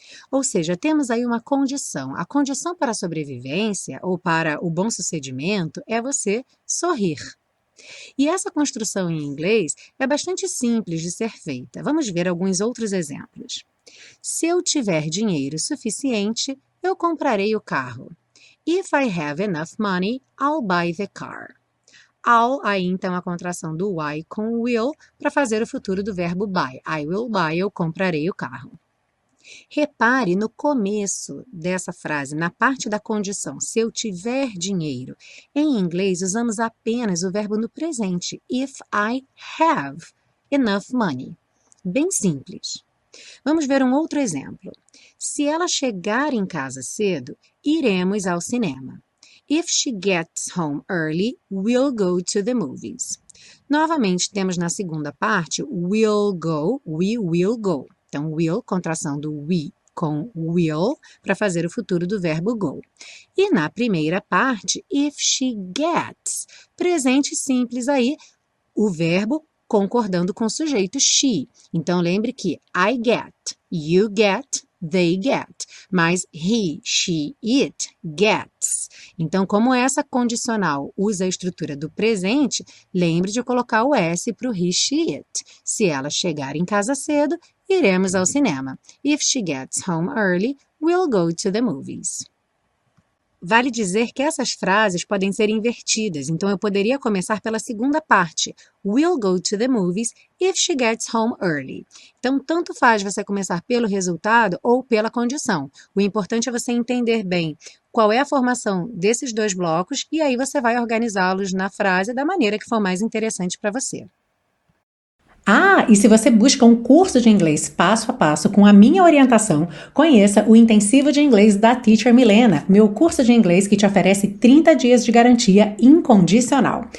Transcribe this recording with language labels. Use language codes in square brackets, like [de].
[pt] Ou seja, temos aí uma condição. A condição para a sobrevivência ou para o bom sucedimento é você sorrir. E essa construção em inglês é bastante simples de ser feita. Vamos ver alguns outros exemplos. Se eu tiver dinheiro suficiente, eu comprarei o carro. [en] If I have enough money, I'll buy the car. [pt] I'll, aí então a contração do I com will, para fazer o futuro do verbo buy. [en] I will buy, [pt] eu comprarei o carro. Repare no começo dessa frase, na parte da condição, se eu tiver dinheiro. Em inglês, usamos apenas o verbo no presente, [en] if I have enough money. [pt] Bem simples. Vamos ver um outro exemplo. Se ela chegar em casa cedo, iremos ao cinema. [en] If she gets home early, we'll go to the movies. [pt] Novamente, temos na segunda parte, [en] we'll go, we will go. [pt] Então, will, contração do we com will, para fazer o futuro do verbo go. E na primeira parte, [en] if she gets, [pt] presente simples aí, o verbo concordando com o sujeito she. Então, lembre que [en] I get, you get, they get, [pt] mas [en] he, she, it, gets. [pt] Então, como essa condicional usa a estrutura do presente, lembre de colocar o S para o he, she, it. Se ela chegar em casa cedo, iremos ao cinema. [en] If she gets home early, we'll go to the movies. [pt] Vale dizer que essas frases podem ser invertidas, então eu poderia começar pela segunda parte. [en] We'll go to the movies if she gets home early. [pt] Então, tanto faz você começar pelo resultado ou pela condição. O importante é você entender bem qual é a formação desses dois blocos e aí você vai organizá-los na frase da maneira que for mais interessante para você. Ah, e se você busca um curso de inglês passo a passo com a minha orientação, conheça o Intensivo de Inglês da Teacher Milena, meu curso de inglês que te oferece 30 dias de garantia incondicional.